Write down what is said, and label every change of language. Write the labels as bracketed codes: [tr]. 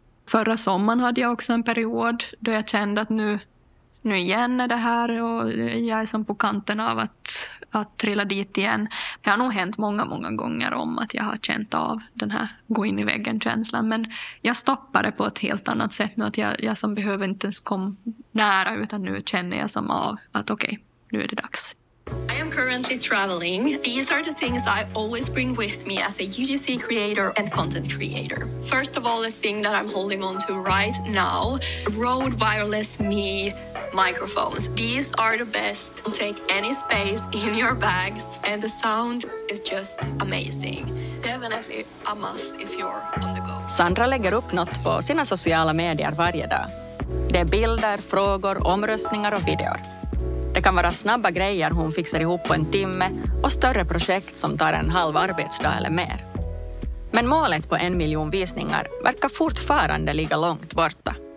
[sv] Förra sommaren hade jag också en period då jag kände att nu igen är det här och jag är som på kanten av att trilla dit igen. Det har nog hänt många, många gånger om att jag har känt av den här gå in i väggen-känslan. Men jag stoppar det på ett helt annat sätt nu. Att jag som behöver inte ens kom nära, utan nu känner jag som av att okej, nu är det dags. [en] I am currently traveling. These are the things I always bring with me as a UGC creator and content creator. First of all, the thing that I'm holding on to right now, Rode Wireless Me microphones. These are the best to take any space in your bags, and the sound is just amazing. Definitely a must if you're on the go. [sv] Sandra lägger upp något på sina sociala medier varje dag. Det är bilder, frågor, omröstningar och videor. Det kan vara snabba grejer hon fixar ihop på en timme och större projekt som tar en halv arbetsdag eller mer. Men målet på 1 miljon visningar verkar fortfarande ligga långt borta.